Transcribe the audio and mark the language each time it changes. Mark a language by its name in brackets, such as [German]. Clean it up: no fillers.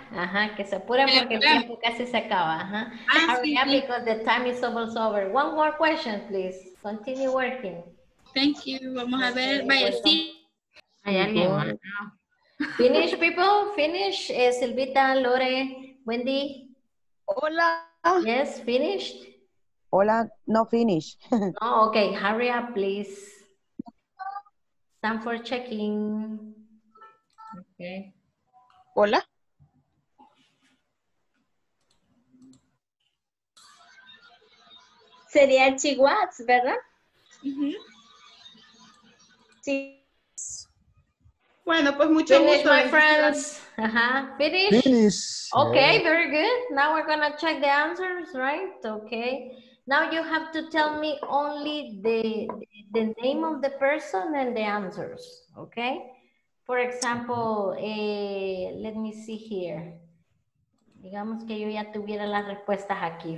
[Spanish] Ajá, que se apure porque el tiempo casi se acaba. Ajá. [English] Hurry up, because the time is almost over. One more question, please. Continue working. Thank you. [Spanish] Vamos a ver. Vaya, sí. Hay alguien más. [English] Finish, people. Finish. [Spanish] Silvita, Lore, Wendy. Hola. [English] Yes, finished. [Spanish] Hola, [English] no finish. No, okay. Hurry up, please. Time for checking. Okay. Hola. [Spanish] Sería Chihuahua, ¿verdad? Mm-hmm. Sí. Bueno, pues mucho [English] finish, [Spanish] gusto. [English] My friends. Uh-huh. Finish. Okay, yeah. Very good. Now we're going to check the answers, right? Okay. Now you have to tell me only the name of the person and the answers, okay? For example, let me see here. [Spanish] Digamos que yo ya tuviera las respuestas aquí.